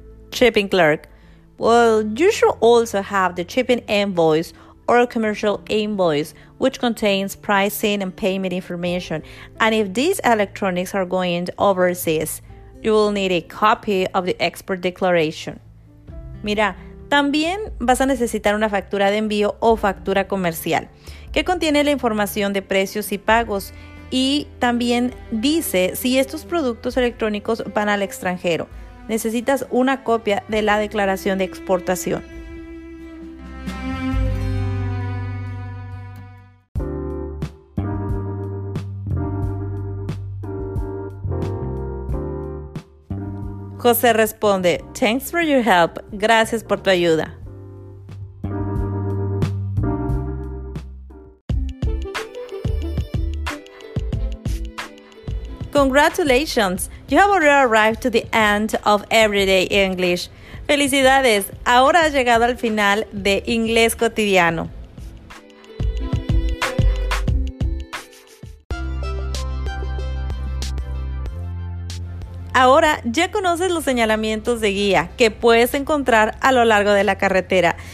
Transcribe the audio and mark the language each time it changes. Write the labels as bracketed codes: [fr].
[en] Shipping clerk, well, you should also have the shipping invoice or a commercial invoice, which contains pricing and payment information. And if these electronics are going overseas, you will need a copy of the export declaration. [es] Mira, también vas a necesitar una factura de envío o factura comercial que contiene la información de precios y pagos y también dice si estos productos electrónicos van al extranjero. Necesitas una copia de la declaración de exportación. José responde, [en] thanks for your help. [es] Gracias por tu ayuda. [en] Congratulations! You have already arrived to the end of Everyday English. [es] ¡Felicidades! Ahora has llegado al final de Inglés Cotidiano. Ahora ya conoces los señalamientos de guía que puedes encontrar a lo largo de la carretera.